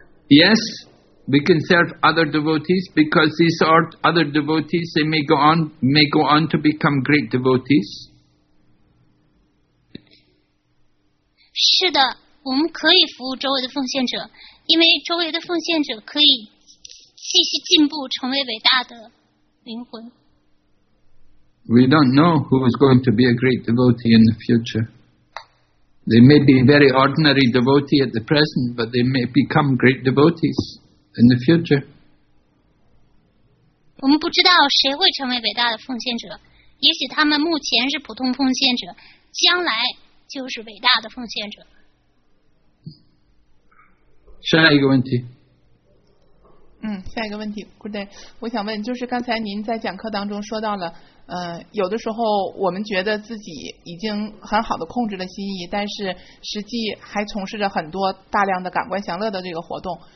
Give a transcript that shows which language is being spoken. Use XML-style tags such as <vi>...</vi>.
<en>Yes, we can serve other devotees because these are other devotees. They may go on to become great devotees.</en> <zh>是的，我们可以服务周围的奉献者。因为周围的奉献者可以继续进步，成为伟大的灵魂。</zh> <en>We don't know who is going to be a great devotee in the future. They may be a very ordinary devotee at the present, but they may become great devotees in the future.</en> <zh>我们不知道谁会成为伟大的奉献者，也许他们目前是普通奉献者，将来就是伟大的奉献者。下一个问题。下一个问题，我想问，就是刚才您在讲课当中说到了，有的时候我们觉得自己已经很好的控制了心意，但是实际还从事着很多大量的感官享乐的这个活动。</zh>